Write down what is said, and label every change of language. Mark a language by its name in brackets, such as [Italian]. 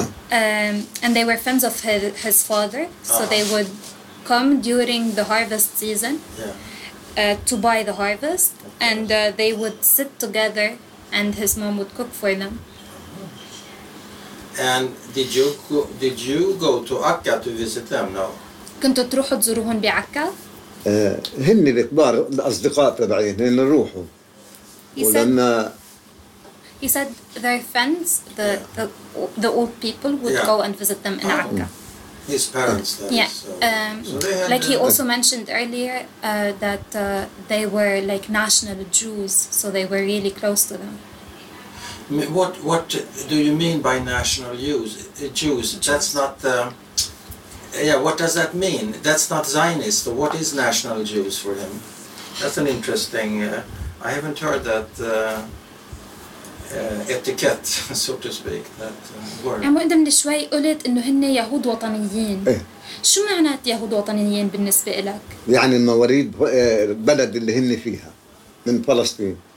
[English] And they were friends of his father, so they would come during the harvest season. Yeah. To buy the harvest, and they would sit together, and his mom would cook for them. And did you go to Akka to visit them? No. [Arabic] كنتوا تروحوا تزورهم بعكا؟ هن الكبار الأصدقاء تبعين هن نروحوا. [English] He said their friends, the old people, would go and visit them in Akka. His parents then. Yeah. Mentioned earlier that they were like national Jews, so they were really close to them. What do you mean by national Jews? That's not what does that mean? That's not Zionist. What is national Jews for him? That's an interesting, I haven't heard that etiquette, so to speak, that word. [Arabic] عمو قدمني شوي قلت إنه هن يهود وطنيين. شو معنات يهود وطنيين بالنسبة إلك؟ يعني مواليد بلد اللي هن فيها من فلسطين.